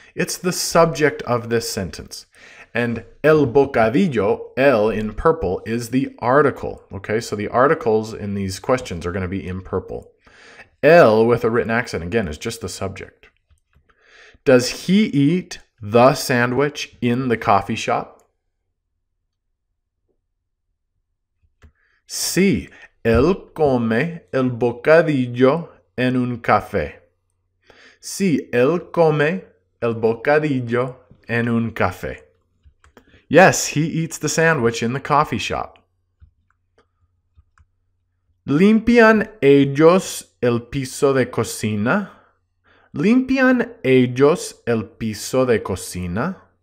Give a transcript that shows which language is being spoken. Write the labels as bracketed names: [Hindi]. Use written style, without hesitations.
[English] It's the subject of this sentence. And el bocadillo, el in purple, is the article. Okay, so the articles in these questions are going to be in purple. El, with a written accent, again, is just the subject. Does he eat the sandwich in the coffee shop? [Spanish] Sí, él come el bocadillo en un café. Sí, él come el bocadillo en un café. [English] Yes, he eats the sandwich in the coffee shop. [Spanish] ¿Limpian ellos el piso de cocina? ¿Limpian ellos el piso de cocina?